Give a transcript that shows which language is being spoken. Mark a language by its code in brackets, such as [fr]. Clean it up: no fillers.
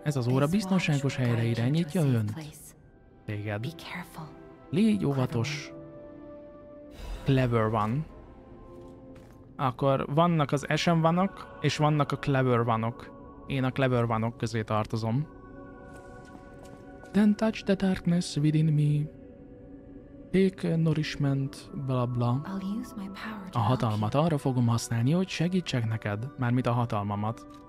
[hu] Ez az óra biztonságos helyre irányítja önt. Téged. Légy óvatos. [en] Clever one. [hu] Akkor vannak az SM vanok, és vannak a clever vanok. Én a clever vanok közé tartozom. [en] Then touch the darkness within me. Take nourishment, bla bla. [hu] A hatalmat arra fogom használni, hogy segítsek neked, mármint a hatalmamat.